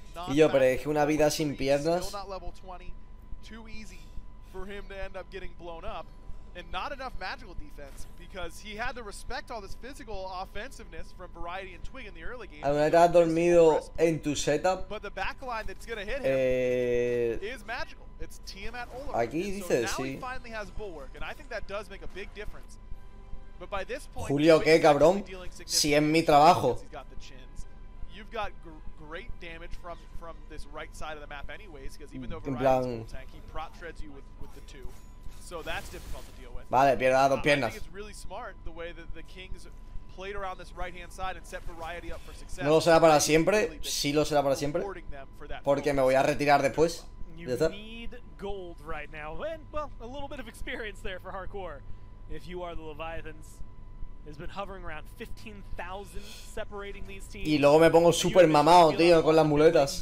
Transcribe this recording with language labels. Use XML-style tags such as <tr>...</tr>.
<es>Y yo, pero es una vida sin piernas.</es> <en>Too easy for him to end up getting blown up and not enough magical defense because he had to respect all this physical offensiveness from Variety and Twig in the early game.</en> <es>¿Alguna vez has dormido en tu setup?</es> <en>But the backline that's going to hit him is magical. It's Tiamat Olaf.</en> <es>Aquí dice,</es> <en>so now</en> <es>sí.</es> <en>He finally has bulwark and I think that does make a big difference. But by this point,</en> <es>Julio, ¿qué, cabrón? Si es mi trabajo.</es> <en>You've got great damage from this right side of the map anyways because even though Variety's tank, he prot treads you with the two. So that's difficult to deal with.</en> <es>Vale, pierde las dos piernas.</es> <en>I think it's really smart the way that the Kings played around this right-hand side and set Variety up for success.</en> <es>No lo será para siempre. Sí lo será para siempre. Porque me voy a retirar después.</es> <en>You need gold right now. And, well, a little bit of experience there for Hardcore. If you are the Leviathans, has been hovering around 15,000 separating these teams.</en> <es>Y luego me pongo super mamado, tío, con las muletas.</es>